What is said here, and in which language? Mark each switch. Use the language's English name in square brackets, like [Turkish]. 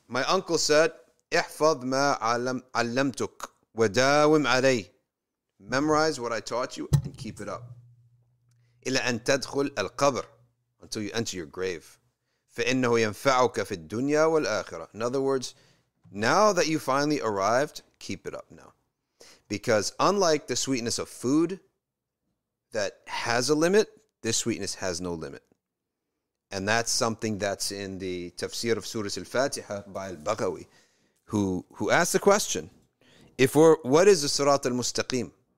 [English] My uncle said, [Arabic] احفظ ما علمتك وداوم علي. [English] Memorize what I taught you and keep it up. [Arabic] إلى أن تدخل القبر. [English] Until you enter your grave. [Arabic] فإنه ينفعك في الدنيا والآخرة. [English] In other words, now that you finally arrived, keep it up now. Because unlike the sweetness of food that has a limit, this sweetness has no limit. And that's something that's in the tafsir of Surah Al-Fatiha by Al-Baghawi, who asked the question, what is the Sirat Al-Mustaqim?